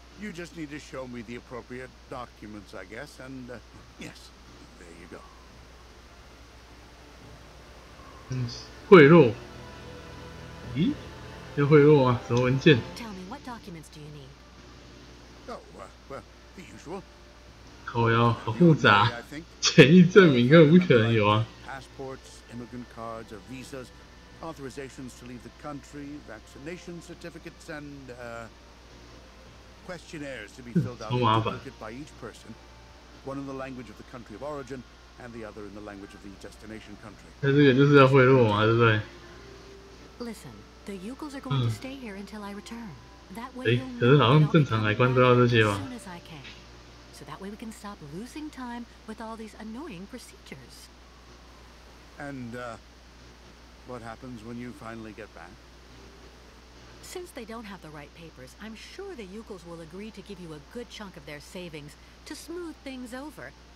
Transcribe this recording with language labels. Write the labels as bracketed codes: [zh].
[en] You just need to show me the appropriate documents, I guess, and yes, there you go. [zh] 贿赂？咦？要贿赂啊？什么文件 [en] ？Tell me what documents do you need? Oh, well, the usual. [zh] 好呀，好复杂。简易证明根本不可能有啊。 [en] Passports, immigrant cards, or visas, authorizations to leave the country, vaccination certificates, and questionnaires to be filled out by each person, one in the language of the country of origin, and the other in the language of the destination country. [zh] 那这个就是要贿赂嘛，对不对？ [en] Listen, the Yukuls are going to stay here until I return. That way, [zh] 哎，可是好像正常来关都要这些吧？ [en] So that way we can stop losing time with all these annoying procedures. And what happens when you finally get back? Since they don't have the right papers, I'm sure the Yukuls will agree to give you a good chunk of their savings to smooth things over.